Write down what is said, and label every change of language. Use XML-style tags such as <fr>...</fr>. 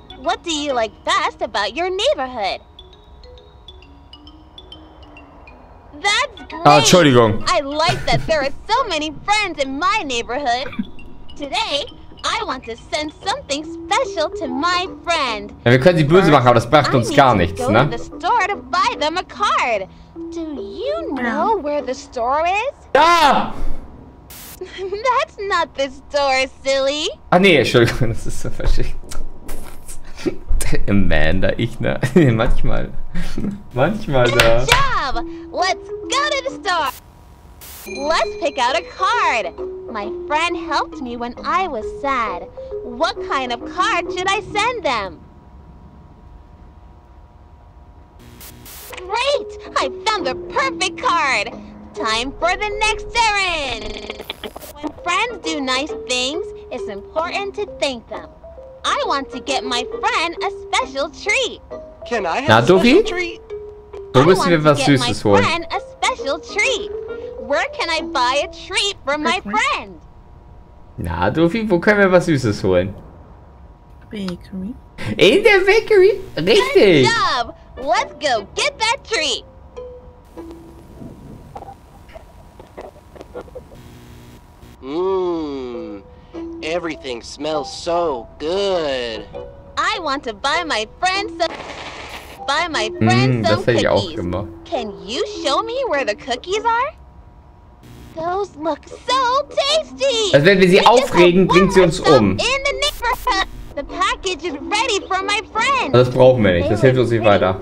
<en>What do you like best about your neighborhood? That's great!</en> <de>Ah, Entschuldigung.</de> <en>I like that there are so many friends in my neighborhood. Today, I want to send something special to my friend.</en> <de>Ja, wir können sie böse machen, aber das bracht uns gar nichts, ne?</de> <en>I need to go to the store to buy them a card. Do you know where the store is?</en> <de>Da!</de> <en>That's not the store, silly.</en> <de>Ah nee, Entschuldigung, das ist so verschickt. Amanda, ich, ne? Manchmal. Manchmal da.</de> <en>Good job! Let's go to the store! Let's pick out a card. My friend helped me when I was sad. What kind of card should I send them? Great! I found the perfect card. Time for the next errand. When friends do nice things, it's important to thank them. I want to get my friend a special treat. Can I have a special treat?</en> <de>Du musst mir was Süßes holen.</de> <en>I want to get my friend a special treat. Where can I buy a treat for my friend?</en> <de>Na, Duffy, wo können wir was Süßes holen?</de> <en>Bakery.</en> <de>In der Bakery? Richtig!</de> <en>Good job! Let's go get that treat! Mmm, everything smells so good! I want to buy my friend some... Buy my friend some cookies.</en> <de>Das hätte ich auch gemacht.</de> <en>Can you show me where the cookies are? Those look so tasty!</en> <de>Also wenn wir sie aufregen, bringt sie uns um.</de> <en>The package is ready for my friend.</en> <de>Das brauchen wir nicht, das hilft uns nicht weiter.</de>